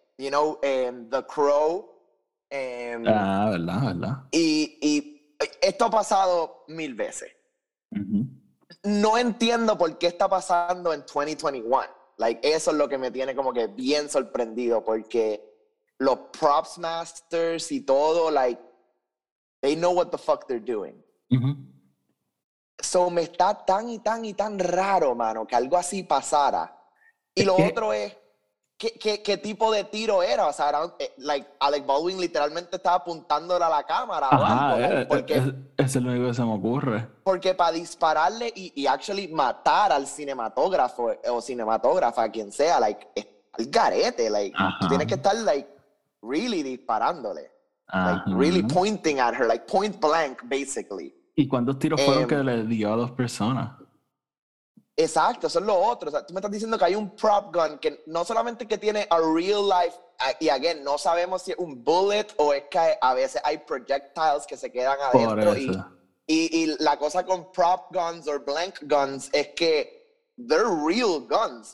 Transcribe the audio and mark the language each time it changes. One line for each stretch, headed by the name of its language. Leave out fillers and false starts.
English: You know, The Crow.
Spanish: Verdad. Y esto ha pasado mil veces. Uh-huh. No entiendo por qué está pasando en 2021. Like, eso es lo que me tiene como que bien sorprendido porque... los props masters y todo,
English: like, they know what the fuck they're doing. Mm-hmm.
Spanish: So, me está tan y tan y tan raro, mano, que algo así pasara. Y lo otro es, ¿qué tipo de tiro era? O sea, era, like, Alec Baldwin literalmente estaba apuntándole a la cámara. Ajá, es lo único que se me ocurre. Porque para dispararle y actually matar al cinematógrafo o cinematógrafa, quien sea, like, es al garete, like, tú tienes que estar, like, really disparándole.
English: Like, really pointing at her, like point blank, basically.
Spanish: ¿Y cuántos tiros fueron que le dio a dos personas? Exacto, eso es lo otro. O sea, tú me estás diciendo que hay un prop gun que no solamente que tiene
English: a real life,
Spanish: y again, no sabemos si es un bullet o es que a veces hay projectiles que se quedan adentro. Y la cosa con prop guns o blank guns es que
English: they're real guns.